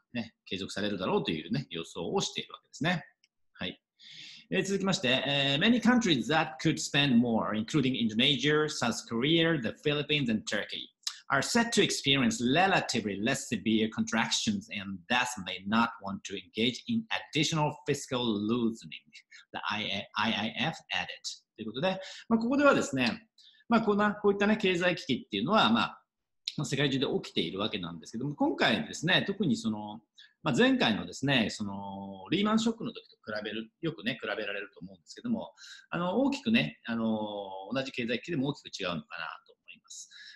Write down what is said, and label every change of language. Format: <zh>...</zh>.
<ja>ね、継続されるだろうという、ね、予想をしているわけですね。はい。続きまして、</ja> <en>Many countries that could spend more, including Indonesia, South Korea, the Philippines, and Turkey, are set to experience relatively less severe contractions and thus may not want to engage in additional fiscal loosening, the IIF added.</en> <ja>ということで、まあ、ここではですね、まあ、こういった、ね、経済危機っていうのは、まあ、世界中で起きているわけなんですけども、今回ですね、特にその、まあ、前回のですね、そのリーマンショックの時と比べる、よくね、比べられると思うんですけども、大きくね、同じ経済危機でも大きく違うのかなと思います。</ja>